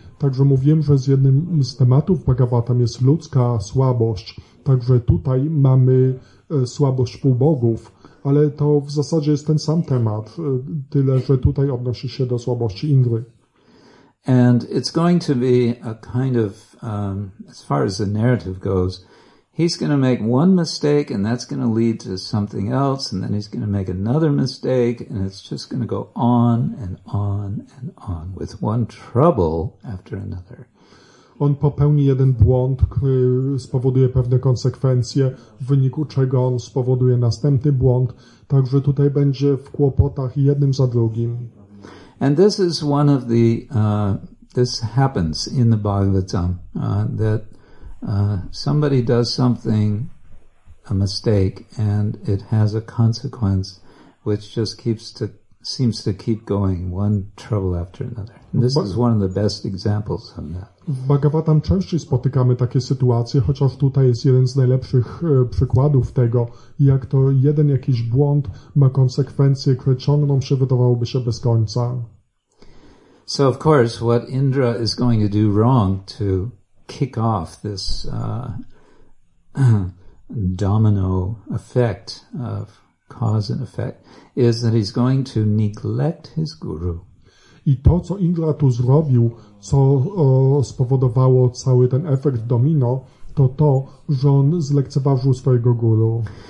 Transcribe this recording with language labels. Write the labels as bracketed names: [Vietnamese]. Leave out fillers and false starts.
[Polish] Także mówiłem, że z jednym z tematów Bhagavatam jest ludzka słabość. Także tutaj mamy słabość półbogów, ale to w zasadzie jest ten sam temat, tyle że tutaj odnosi się do słabości Indry. [English] And it's going to be a kind of, as far as the narrative goes, he's going to make one mistake and that's going to lead to something else and then he's going to make another mistake and it's just going to go on and on and on with one trouble after another. [Polish] On popełni jeden błąd, który spowoduje pewne konsekwencje, w wyniku czego on spowoduje następny błąd, także tutaj będzie w kłopotach jednym za drugim. [English] And this is one of the, this happens in the Bhagavatam, that somebody does something, a mistake, and it has a consequence which just seems to keep going, one trouble after another. And this is one of the best examples of that. [Polish] W Bhagavatam częściej spotykamy takie sytuacje, chociaż tutaj jest jeden z najlepszych przykładów tego, jak to jeden jakiś błąd ma konsekwencje, które ciągną się, wydawałoby się, bez końca. [English] So of course, what Indra is going to do wrong to kick off this domino effect of cause and effect is that he's going to neglect his guru. [Polish] I to, co Indra tu zrobił, co spowodowało cały ten efekt domino, to to, że on zlekceważył swojego guru.